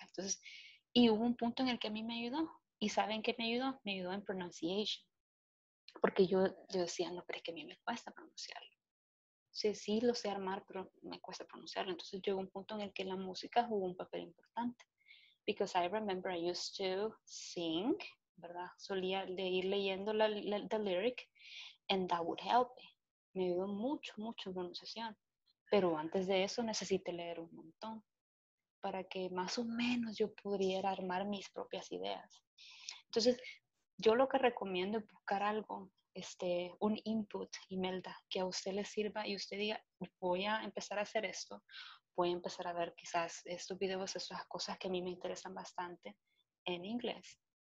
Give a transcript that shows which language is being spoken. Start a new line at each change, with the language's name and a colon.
Spanish: Entonces, y hubo un punto en el que a mí me ayudó. ¿Y saben qué me ayudó? Me ayudó en pronunciation. Porque yo decía, no, pero es que a mí me cuesta pronunciarlo. Sí, lo sé armar, pero me cuesta pronunciarlo. Entonces llegó un punto en el que la música jugó un papel importante.
English: Because I remember I used to sing,
Spanish: ¿verdad? Solía ir leyendo
English: the lyric and that would help me.
Spanish: Me ayudó mucho, mucho en pronunciación. Pero antes de eso necesité leer un montón para que más o menos yo pudiera armar mis propias ideas. Entonces, yo lo que recomiendo es buscar algo, un input, Imelda, que a usted le sirva y usted diga, voy a empezar a hacer esto, voy a empezar a ver quizás estos videos, esas cosas que a mí me interesan bastante en inglés.